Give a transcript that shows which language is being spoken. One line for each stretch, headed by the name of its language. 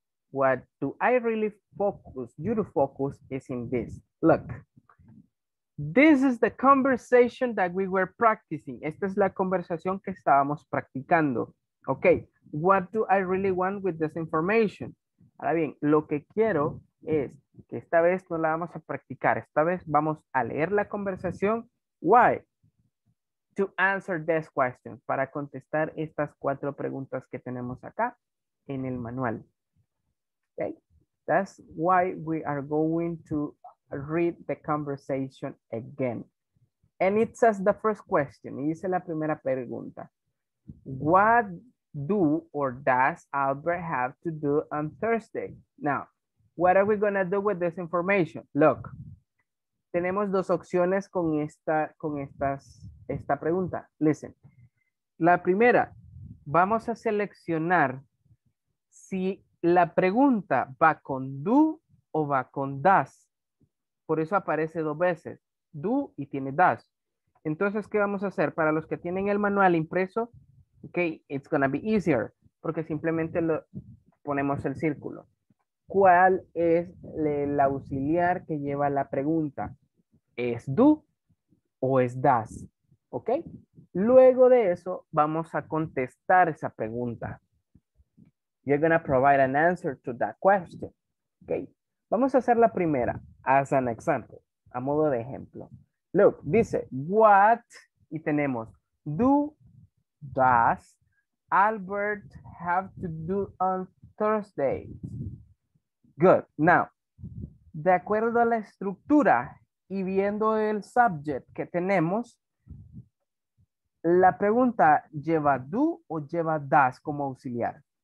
English: What do I really focus, you to focus is in this. Look, this is the conversation that we were practicing.
Spanish: Esta es la conversación que estábamos practicando.
English: Okay, what do I really want with this information?
Spanish: Ahora bien, lo que quiero es que esta vez no la vamos a practicar. Esta vez vamos a leer la conversación.
English: Why? To answer this question.
Spanish: Para contestar estas cuatro preguntas que tenemos acá en el manual.
English: Okay, that's why we are going to read the conversation again. And it says the first question.
Spanish: Y dice la primera pregunta.
English: What do or does Albert have to do on Thursday? Now, what are we going to do with this information?
Spanish: Look, tenemos dos opciones con esta pregunta. Listen, la primera, vamos a seleccionar si la pregunta va con do o va con does. Por eso aparece dos veces, do y tiene does. Entonces, ¿qué vamos a hacer? Para los que tienen el manual impreso,
English: okay, it's going to be easier,
Spanish: porque simplemente lo ponemos el círculo. ¿Cuál es el auxiliar que lleva la pregunta? ¿Es do o es does? Okay. Luego de eso, vamos a contestar esa pregunta.
English: You're going to provide an answer to that question. Okay.
Spanish: Vamos a hacer la primera,
English: as an example,
Spanish: a modo de ejemplo.
English: Look, dice, what,
Spanish: y tenemos,
English: do, does Albert have to do on Thursday? Good.
Spanish: Now, de acuerdo a la estructura y viendo el subject que tenemos, la pregunta lleva do o lleva does como auxiliar.